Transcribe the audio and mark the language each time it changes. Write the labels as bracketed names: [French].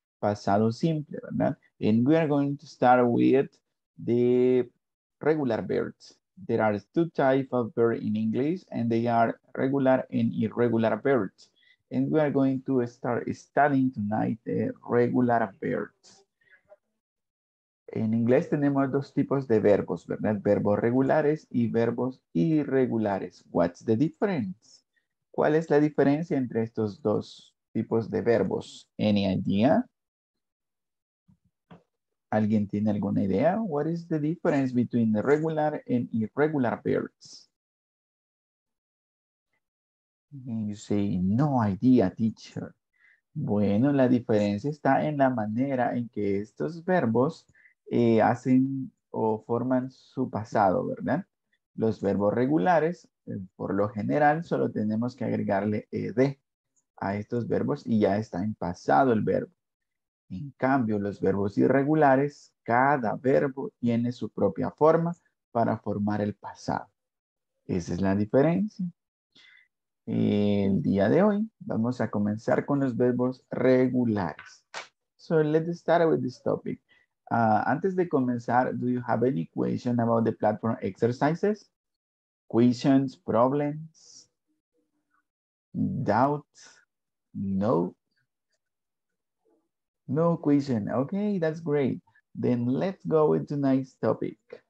[Spanish] Pasado simple, ¿verdad? [English] And we are going to start with the regular verbs. There are two types of verbs in English, and they are regular and irregular verbs. And we are going to start studying tonight the regular verbs. [Spanish] En inglés tenemos dos tipos de verbos, ¿verdad? Verbos regulares y verbos irregulares. [English] What's the difference? [Spanish] ¿Cuál es la diferencia entre estos dos tipos de verbos? [English] Any idea? [Spanish] ¿Alguien tiene alguna idea? [English] What is the difference between the regular and irregular verbs? And you say, no idea, teacher. [Spanish] Bueno, la diferencia está en la manera en que estos verbos hacen o forman su pasado, ¿verdad? Los verbos regulares, por lo general, solo tenemos que agregarle ed a estos verbos y ya está en pasado el verbo. En cambio, los verbos irregulares, cada verbo tiene su propia forma para formar el pasado. Esa es la diferencia. El día de hoy vamos a comenzar con los verbos regulares. [English] So let's start with this topic. [Spanish] Antes de comenzar, [English] do you have any question about the platform exercises? Questions, problems, doubts? No. No question. Okay, that's great. Then let's go with tonight's topic.